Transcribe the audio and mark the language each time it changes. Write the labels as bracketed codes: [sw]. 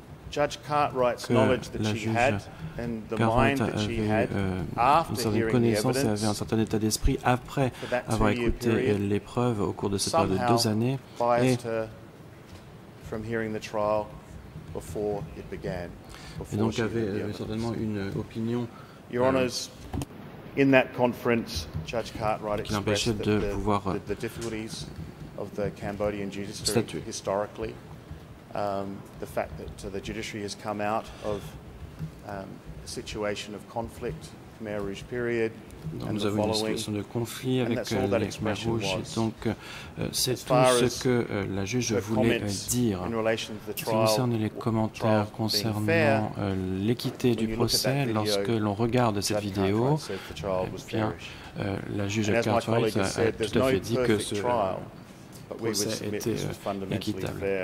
[en] Judge Cartwright's knowledge that she had and the mind that she had after hearing the evidence, [fr] elle avait un certain état d'esprit après avoir écouté l'épreuve au cours de cette période de deux années, [en] biased her from hearing the trial before it began. [fr] Et donc avait certainement une opinion. [en] Your Honours, in that conference, Judge Cartwright expressed the difficulties of the Cambodian judiciary historically. The fact that the judiciary has come out of a situation of conflict, Khmer Rouge period, [fr] donc [en] and [fr] nous avons [en] the following, [fr] une situation de conflit avec les Khmer Rouge. Et donc, c'est tout ce que la juge voulait dire. Ce qui concerne les commentaires concernant l'équité du procès, lorsque l'on regarde cette vidéo, bien, la juge Cartwright a tout à fait dit que ce procès était équitable.